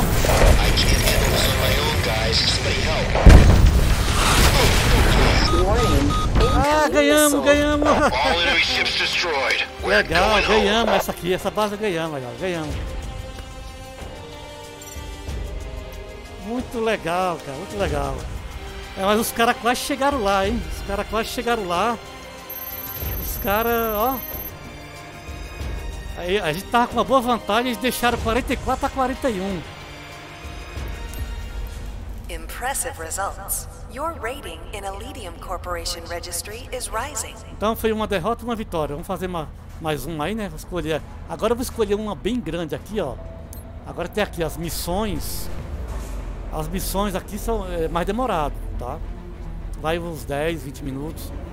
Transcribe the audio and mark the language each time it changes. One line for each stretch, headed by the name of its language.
English: I can't get this on my own, guys. Somebody help. Warning.
Portuguese: Ah, ganhamos, ganhamos.
English: All enemy ships destroyed.
Portuguese: Legal, ganhamos essa aqui, essa base ganhamos, legal, ganhamos. Muito legal, cara, muito legal. É, mas os caras quase chegaram lá, hein? Os caras quase chegaram lá. Os caras, ó. Aí, a gente tava com uma boa vantagem, eles deixaram 44 a 41.
English: Impressive results. Your rating in Elidium Corporation Registry is rising.
Portuguese: Então foi uma derrota e uma vitória. Vamos fazer mais uma aí, né? Vou escolher. Agora eu vou escolher uma bem grande aqui, ó. Agora tem aqui as missões. As missões aqui são mais demorado, tá? Vai uns 10, 20 minutos.